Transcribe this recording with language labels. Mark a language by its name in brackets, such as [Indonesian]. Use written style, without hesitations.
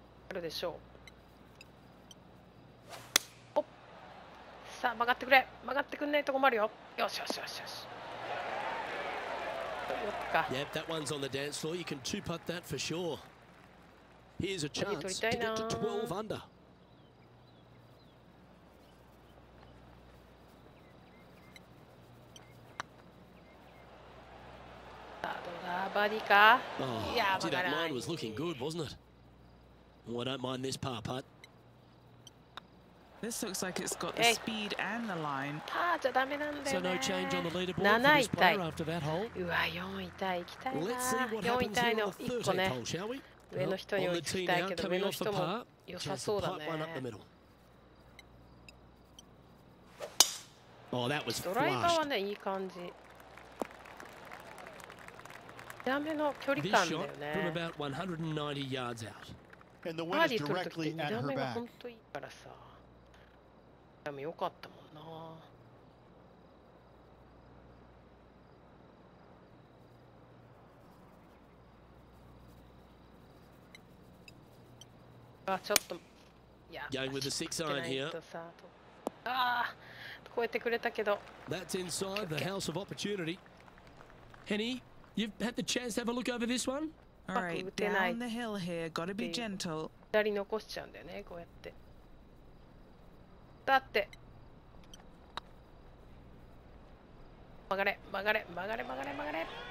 [Japanese] あるでしょう。おっ、さあ曲がってくれ、曲がってくんないと困るよ。よしよしよしよし。よっか。 [English] Yep, that one's on the dance floor. You can two putt that for sure. Here's a chance to get to 12 under. [Japanese] バーディーか。 [English] Oh, was looking good, wasn't it? Well, I don't mind this par putt. This looks like it's got the speed and the line. [Japanese] パーじゃダメなんだよね。 [English] So no change on the leaderboard for this player after that hole. [Japanese] うわ、4位タイ行きたいな。 [English] Let's see what happens here on the 13th hole, shall we? [Japanese] 上の人に追いつきたいけど、上の人も良さそうだね。 [English] Just the pipe line up the middle. [Japanese] ドライバーはね、いい感じ。見た目の距離感だよね。バーディー取るときに見た目が本当にいいからさ、見た目良かったもんな。あ、ちょっと、いや、行ってないとさ、あ、超えてくれたけど。 [English] That's inside the house of opportunity, Henny. You've had the chance to have a look over this one? All right, down the hill here, gotta be gentle. [Japanese] 左残しちゃうんだよね、こうやって。だって。曲がれ、曲がれ、曲がれ、曲がれ、曲がれ。